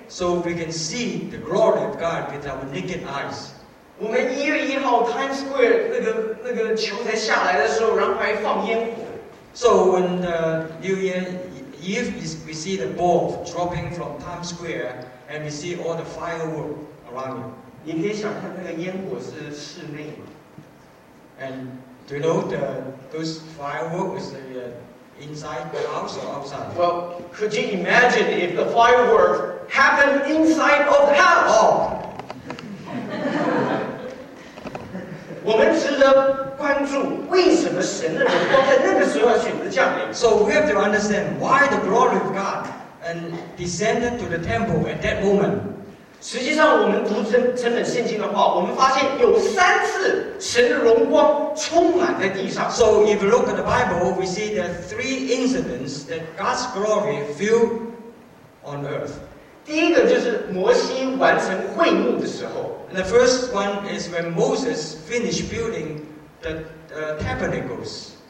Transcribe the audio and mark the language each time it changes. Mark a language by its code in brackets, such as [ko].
[en] So we can see the glory of God with our naked eyes. [zh] 我们1月1号 Times Square 那个球才下来的时候, 然后还放烟火。 [en] So when the New Year Eve, we see the ball dropping from Times Square, and we see all the firework around you. [zh] 你可以想象那个烟火是室内吗? [en] And do you know those fireworks is inside the house or outside? Well, could you imagine if the firework happened inside of the house? Oh. [zh] 我们值得关注为什么神的荣光在那个时候要选择降临。 [en] So we have to understand why the glory of God and descended to the temple at that moment. [zh] 实际上我们读整本圣经的话，我们发现有三次神的荣光充满在地上。 [en] So if you look at the Bible, we see there are three incidents that God's glory filled on earth. [zh] 第一个就是摩西完成会幕的时候。 [en] And the first one is when Moses finished building the tabernacles.